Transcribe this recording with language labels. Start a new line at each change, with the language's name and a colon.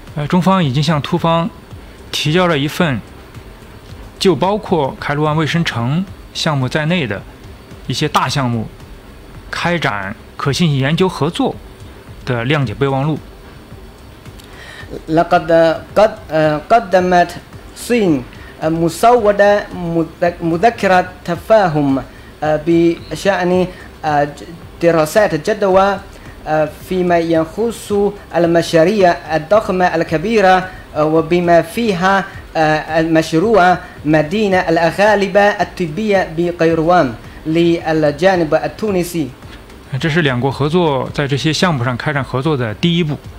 Chinese: 中方已经向突方提交了一份就包括凯鲁万卫生城项目在内的一些大项目开展可信息研究合作的谅解备忘录。
Arabic: لقد قدمت الصين مسودة مذكرة تفاهم بشأن دراسات جدوى فيما يخص المشاريع الضخمة الكبيرة وبما فيها مشروع مدينة الأغالبة الطبية بقيروان للجانب التونسي.
Chinese: 这是两国合作在这些项目上开展合作的第一步。